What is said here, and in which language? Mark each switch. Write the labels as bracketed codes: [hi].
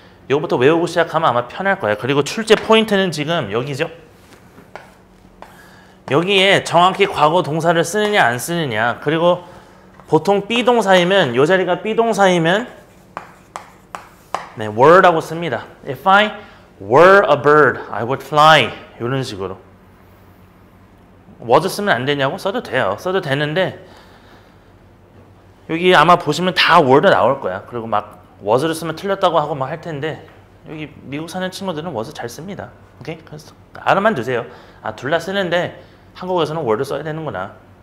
[ko] 이거부터 외우고 시작하면 아마 편할 거예요. 그리고 출제 포인트는 지금 여기죠. 여기에 정확히 과거 동사를 쓰느냐 안 쓰느냐, 그리고 보통 B동사이면 이 자리가 B동사이면 네, were라고 씁니다. [en] If I were a bird, I would fly. [ko] 이런 식으로 was 쓰면 안 되냐고? 써도 돼요. 써도 되는데 여기 아마 보시면 다 word 나올 거야. 그리고 막 was를 쓰면 틀렸다고 하고 막 할 텐데 여기 미국 사는 친구들은 was 잘 씁니다. 오케이? 그래서 알아만 두세요. 아, 둘 다 쓰는데 한국에서는 word 써야 되는구나.